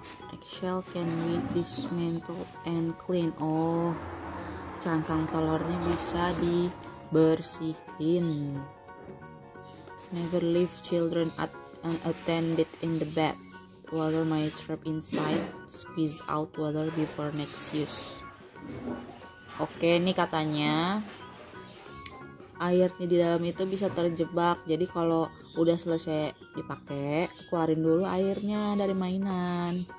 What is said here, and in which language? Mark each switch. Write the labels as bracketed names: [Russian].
[English] Eggshell can be dismantled and clean. [Indonesian] Oh, cangkang telurnya bisa dibersihin. [English] Never leave children at unattended in the bed. Water may trap inside, squeeze out water before next use. [Indonesian] Oke, ini katanya airnya di dalam itu bisa terjebak. Jadi kalau udah selesai dipakai, keluarin dulu airnya dari mainan.